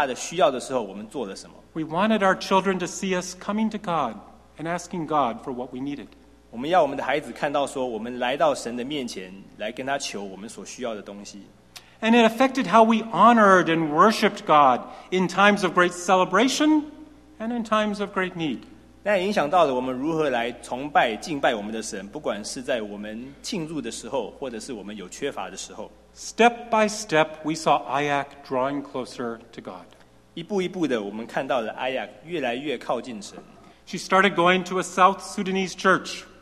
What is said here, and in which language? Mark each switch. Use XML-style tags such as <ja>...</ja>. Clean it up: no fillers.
<en>We wanted our children to see us coming to God and asking God for what we needed.</en> <zh>我们要我们的孩子看到说我们来到神的面前来跟他求我们所需要的东西。</zh> <en>And it affected how we honored and worshiped God in times of great celebration and in times of great need.</en> <zh>那也影响到了我们如何来崇拜敬拜我们的神，不管是在我们庆祝的时候，或者是我们有缺乏的时候。</zh> <en>Step by step, we saw Ayak drawing closer to God.</en> <zh>一步一步的，我们看到了Ayak越来越靠近神。</zh> <en>She started going to a South Sudanese church.</en>